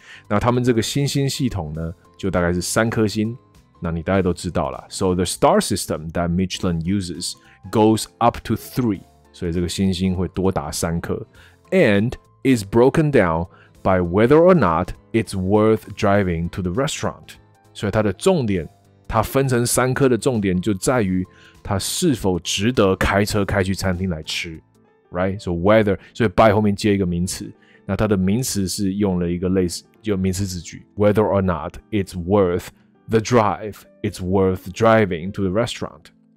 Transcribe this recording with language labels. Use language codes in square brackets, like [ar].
[zh] 那他们这个星星系统呢，就大概是三颗星。那你大家都知道了。 [en] So the star system that Michelin uses goes up to 3. [zh] 所以这个星星会多达三颗。 [en] And is broken down by whether or not it's worth driving to the restaurant. [zh] 所以它的重点。它分成三颗的重点就在于它是否值得开车开去餐厅来吃 ，right？所、so、以 whether， 所以 by 后面接一个名词，那它的名词是用了一个类似就名词子句 ， [en] whether or not it's worth the drive， it's worth driving to the restaurant。